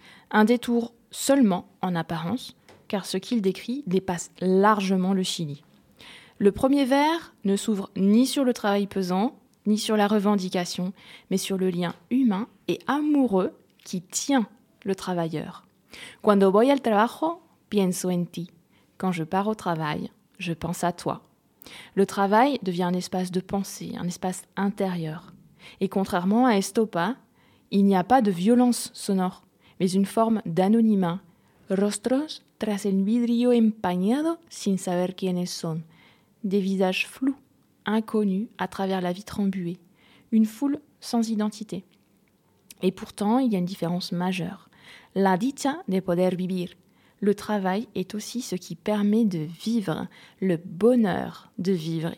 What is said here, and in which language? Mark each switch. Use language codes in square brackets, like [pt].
[fr] Un détour seulement en apparence, car ce qu'il décrit dépasse largement le Chili. Le premier vers ne s'ouvre ni sur le travail pesant, ni sur la revendication, mais sur le lien humain et amoureux qui tient le travailleur. [es] Cuando voy al trabajo, pienso en ti. [fr] Quand je pars au travail, je pense à toi. Le travail devient un espace de pensée, un espace intérieur. Et contrairement à Estopa, il n'y a pas de violence sonore, mais une forme d'anonymat. [es] Rostros tras el vidrio empañado sin saber quiénes son. [fr] Des visages flous, inconnus, à travers la vitre embuée. Une foule sans identité. Et pourtant, il y a une différence majeure. [es] La dicha de poder vivir. [fr] Le travail est aussi ce qui permet de vivre, le bonheur de vivre.